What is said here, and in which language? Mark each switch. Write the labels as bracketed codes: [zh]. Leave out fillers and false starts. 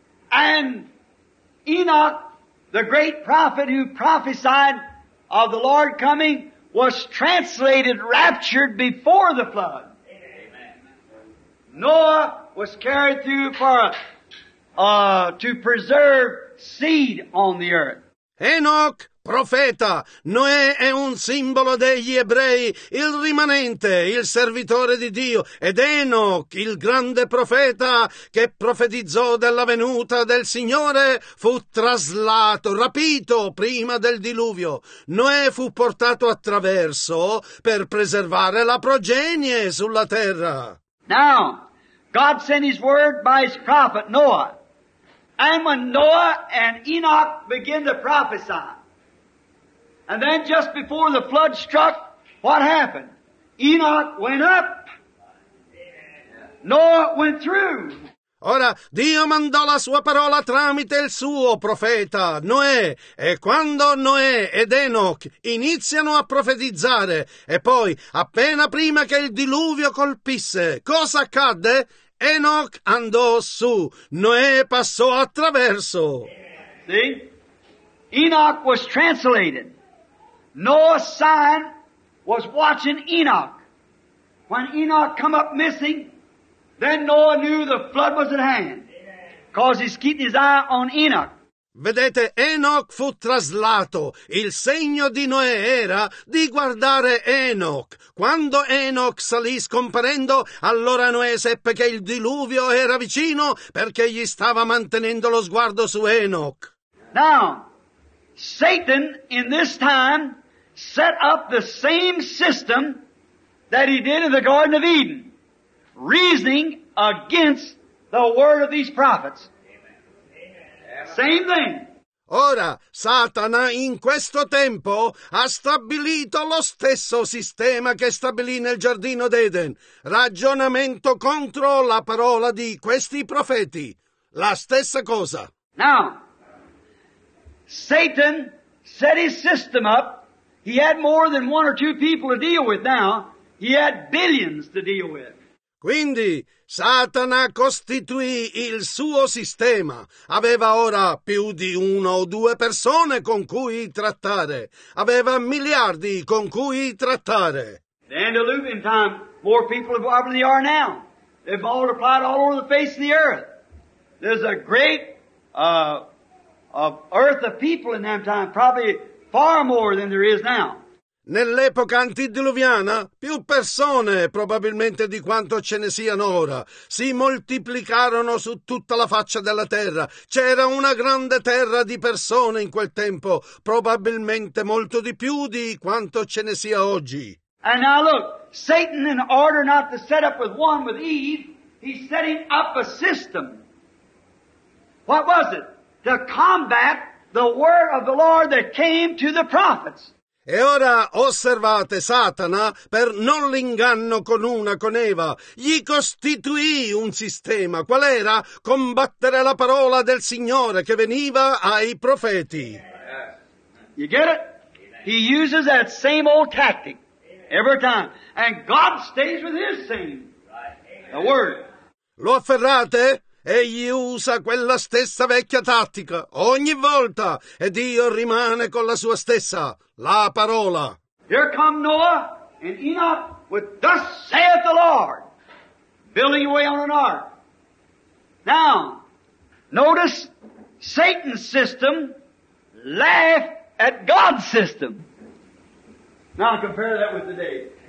[en] And Enoch, the great prophet who prophesied of the Lord coming, was translated, raptured before the flood. Amen. Noah was carried through to preserve seed on the earth. [it] Enoch, profeta, Noè è un simbolo degli ebrei, il rimanente, il servitore di Dio, ed Enoch, il grande profeta che profetizzò della venuta del Signore, fu traslato, rapito prima del diluvio. Noè fu portato attraverso per preservare la progenie sulla terra. [en] Now, God sent his word by his prophet Noah. And when Noah and Enoch begin to prophesy, and then just before the flood struck, what happened? Enoch went up. Noah went through. [it] Ora, Dio mandò la sua parola tramite il suo profeta, Noè. E quando Noè ed Enoch iniziano a profetizzare, e poi, appena prima che il diluvio colpisse, cosa accadde? Enoch andò su. Noè passò attraverso. [en] See? Enoch was translated. Noah's son was watching Enoch. When Enoch come up missing, then Noah knew the flood was at hand. Because he's keeping his eye on Enoch. [it] Vedete, Enoch fu traslato. Il segno di Noè era di guardare Enoch. Quando Enoch salì scomparendo, allora Noè seppe che il diluvio era vicino perché gli stava mantenendo lo sguardo su Enoch. [en] Now, Satan in this time set up the same system that he did in the Garden of Eden, reasoning against the word of these prophets. Same thing. [it] Ora, Satana in questo tempo ha stabilito lo stesso sistema che stabilì nel giardino d'Eden. Ragionamento contro la parola di questi profeti. La stessa cosa. [en] Now, Satan set his system up. He had more than one or two people to deal with now. He had billions to deal with. [it] Quindi, Satana costituì il suo sistema. Aveva ora più di una o due persone con cui trattare. Aveva miliardi con cui trattare. [en] The antediluvian time more people are than they are now. They've multiplied all over the face of the earth. There's a great earth of people in that time, probably far more than there is now. [it] Nell'epoca antidiluviana, più persone probabilmente di quanto ce ne siano ora, si moltiplicarono su tutta la faccia della terra. C'era una grande terra di persone in quel tempo, probabilmente molto di più di quanto ce ne sia oggi. [en] And now look, Satan, in order not to set up with one with Eve, he's setting up a system. What was it? To combat the word of the Lord that came to the prophets. [it] E ora osservate, Satana, per non l'inganno con una, con Eva, gli costituì un sistema. Qual era? Combattere la parola del Signore che veniva ai profeti. [en] You get it? He uses that same old tactic every time. And God stays with his same. The word. [it] Lo afferrate? Egli usa quella stessa vecchia tattica ogni volta e Dio rimane con la sua stessa, la parola. [en] Here come Noah and Enoch with thus saith the Lord, building away on an ark. Now, notice Satan's system laugh at God's system. Now compare that with today.